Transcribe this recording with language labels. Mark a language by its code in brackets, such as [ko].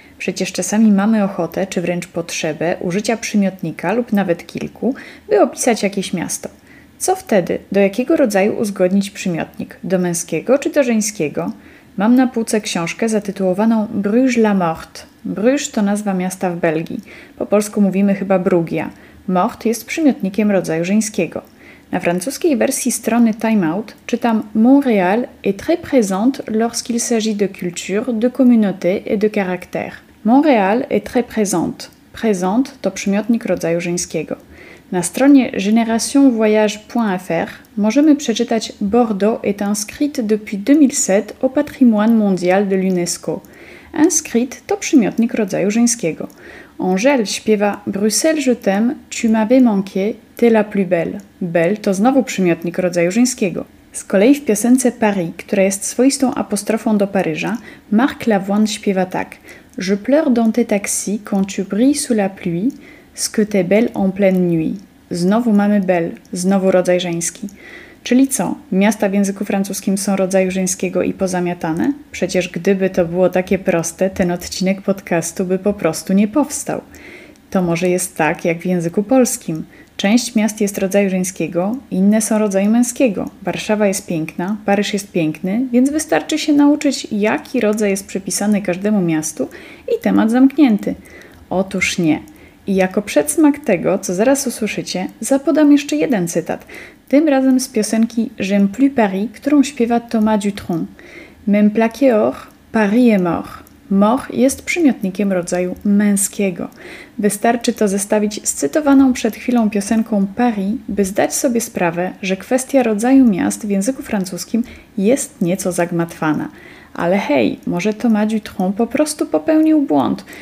[pl] Przecież czasami mamy ochotę, czy wręcz potrzebę, użycia przymiotnika lub nawet kilku, by opisać jakieś miasto. Co wtedy? Do jakiego rodzaju uzgodnić przymiotnik? Do męskiego czy do żeńskiego? Mam na półce książkę zatytułowaną Bruges la Morte. Bruges to nazwa miasta w Belgii. Po polsku mówimy chyba Brugia. Mort jest przymiotnikiem rodzaju żeńskiego. Na francuskiej wersji strony Time Out czytam [fr] Montréal est très présente lorsqu'il s'agit de culture, de communauté et de caractère. Montréal est très présente. [pl] Présente to przymiotnik rodzaju żeńskiego. Na stronie generationvoyage.fr możemy przeczytać [fr] Bordeaux est inscrite depuis 2007 au patrimoine mondial de l'UNESCO. [pl] Inscrite to przymiotnik rodzaju żeńskiego. [fr] Angèle [pl] śpiewa [fr] Bruxelles je t'aime, tu m'avais manqué, t'es la plus belle. [pl] Belle to znowu przymiotnik rodzaju żeńskiego. Z kolei w piosence Paris, która jest swoistą apostrofą do Paryża, Marc Lavoine śpiewa tak [fr] Je pleure dans tes taxis quand tu brilles sous la pluie, ce que t'es belle en pleine nuit. [pl] Znowu mamy belle, znowu rodzaj żeński. Czyli co? Miasta w języku francuskim są rodzaju żeńskiego i pozamiatane? Przecież gdyby to było takie proste, ten odcinek podcastu by po prostu nie powstał. To może jest tak, jak w języku polskim. Część miast jest rodzaju żeńskiego, inne są rodzaju męskiego. Warszawa jest piękna, Paryż jest piękny, więc wystarczy się nauczyć, jaki rodzaj jest przypisany każdemu miastu i temat zamknięty. Otóż nie. I jako przedsmak tego, co zaraz usłyszycie, zapodam jeszcze jeden cytat. Tym razem z piosenki J'aime plus Paris, którą śpiewa Thomas Dutronc. [fr] Même plaqué or, Paris est mort. [pl] Mort jest przymiotnikiem rodzaju męskiego. Wystarczy to zestawić z cytowaną przed chwilą piosenką Paris, by zdać sobie sprawę, że kwestia rodzaju miast w języku francuskim jest nieco zagmatwana. Ale hej, może Thomas Dutronc po prostu popełnił błąd.